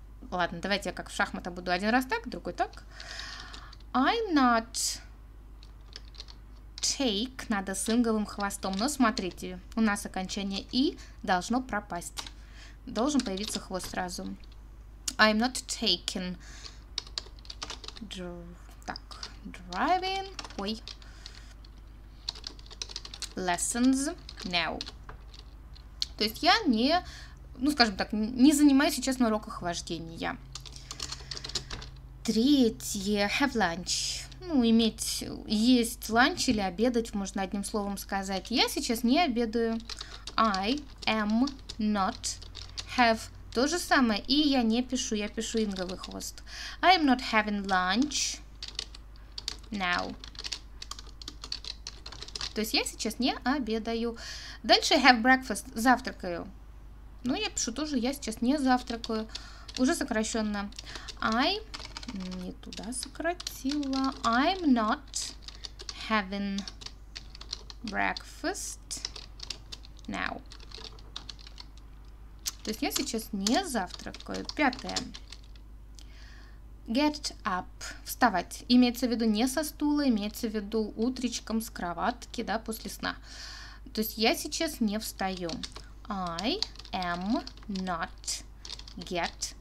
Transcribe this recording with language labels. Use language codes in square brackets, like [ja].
[ru] Ладно, давайте я как в шахматах буду один раз так, другой так. [en] I'm not take, [ru] надо с инговым хвостом. Но смотрите, у нас окончание и должно пропасть. Должен появиться хвост сразу. [en] I'm not taking [ru] так, [en] driving lessons now. [ru] То есть я не, ну, скажем так, не занимаюсь сейчас на уроках вождения. Третье. [en] Have lunch. [ru] Ну, иметь, есть ланч или обедать, можно одним словом сказать. Я сейчас не обедаю. [en] I am not have. [ru] То же самое. И я не пишу, я пишу инговый хвост. [en] I am not having lunch now. [ru] То есть я сейчас не обедаю. Дальше [en] have breakfast, [ru] завтракаю. Ну, я пишу тоже, я сейчас не завтракаю. Уже сокращенно. I, не туда сократила. [en] I'm not having breakfast now. [ru] То есть я сейчас не завтракаю. Пятое. [en] Get up. [ru] Вставать. Имеется в виду не со стула, имеется в виду утречком с кроватки, да, после сна. То есть я сейчас не встаю. [en] I am not get.